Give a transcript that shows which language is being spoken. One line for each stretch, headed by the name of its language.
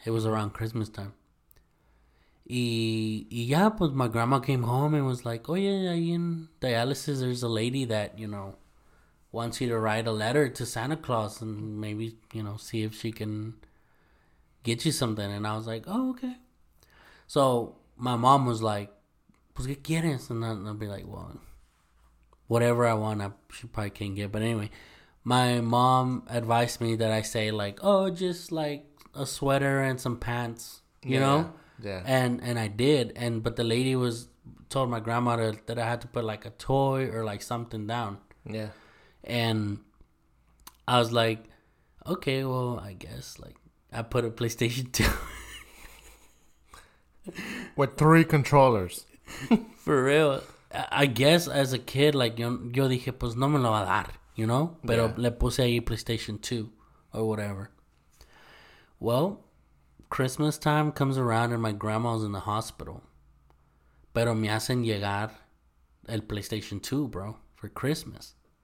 English: It was around Christmas time.
Spanish: Y ya, pues,
English: my grandma came home and was like,
Spanish: oye, ahí en
English: dialysis, there's a lady that, you know, wants you to write a letter to Santa Claus and maybe, you know, see if she can get you something. And I was like, oh, okay. So my mom was like,
Spanish: pues, ¿qué quieres?
English: And I'll be like, well, whatever I want, she probably can't get. But anyway, my mom advised me that I say, like, oh, just, like, a sweater and some pants, you know? Yeah. And I did. And but the lady was told my grandma that I had to put, like, a toy or, like, something down. Yeah. And I was like, okay, well, I guess, like, I put a PlayStation 2. With 3 controllers. For real. I guess as a kid, like,
Spanish: yo dije, pues, no me lo va a dar,
English: you know? Pero yeah.
Spanish: Le puse ahí PlayStation 2
English: or whatever. Well, Christmas time comes around and my grandma's in the hospital.
Spanish: Pero me hacen llegar el PlayStation 2, bro,
English: for Christmas.